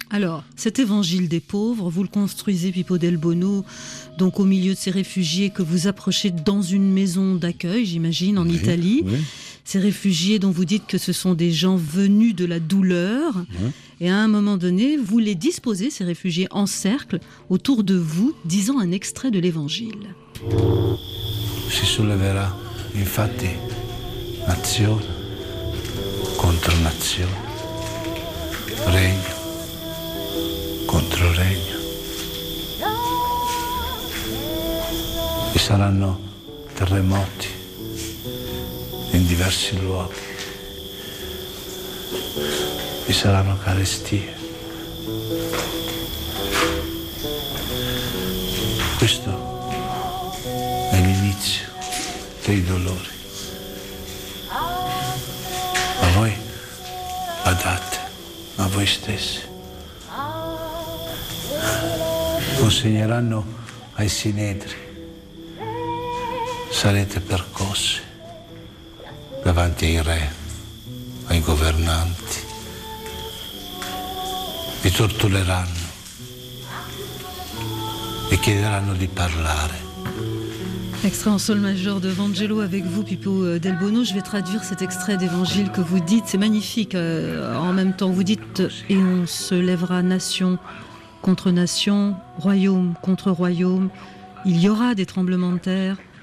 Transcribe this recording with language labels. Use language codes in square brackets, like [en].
[fr] Alors, cet évangile des pauvres, vous le construisez, Pipo del Bono, donc au milieu de ces réfugiés que vous approchez dans une maison d'accueil, j'imagine, en Italie. Oui. Ces réfugiés dont vous dites que ce sont des gens venus de la douleur. Oui. Et à un moment donné, vous les disposez, ces réfugiés, en cercle, autour de vous, disant un extrait de l'évangile. [it] Si soulevera, infatti, azione. Contro nazione, regno contro regno, e saranno terremoti in diversi luoghi, e saranno carestie. Questo è l'inizio dei dolori. Voi badate a voi stessi. Consegneranno ai sinedri. Sarete percossi davanti ai re, ai governanti. Vi tortureranno e chiederanno di parlare. [fr] Extrait en sol majeur de Vangelo avec vous, Pipo del Bono. Je vais traduire cet extrait d'évangile que vous dites. C'est magnifique. En même temps, vous dites « Et on se lèvera nation contre nation, royaume contre royaume. Il y aura des tremblements de terre.